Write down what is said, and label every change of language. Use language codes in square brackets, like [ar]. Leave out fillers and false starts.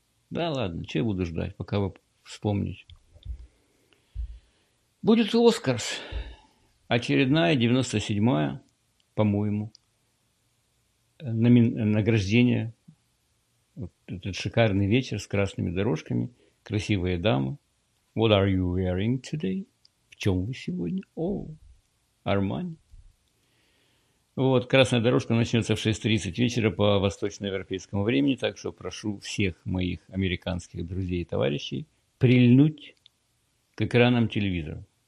[ru] Да ладно, что я буду ждать, пока вы вспомните. Будет «Оскарс». Очередная, 97-я, по-моему, награждение. Вот этот шикарный вечер с красными дорожками, красивые дамы. [en] What are you wearing today? [ru] В чем вы сегодня? Армани. Вот, красная дорожка начнется в 6:30 вечера по восточноевропейскому времени, так что прошу всех моих американских друзей и товарищей прильнуть к экранам телевизора.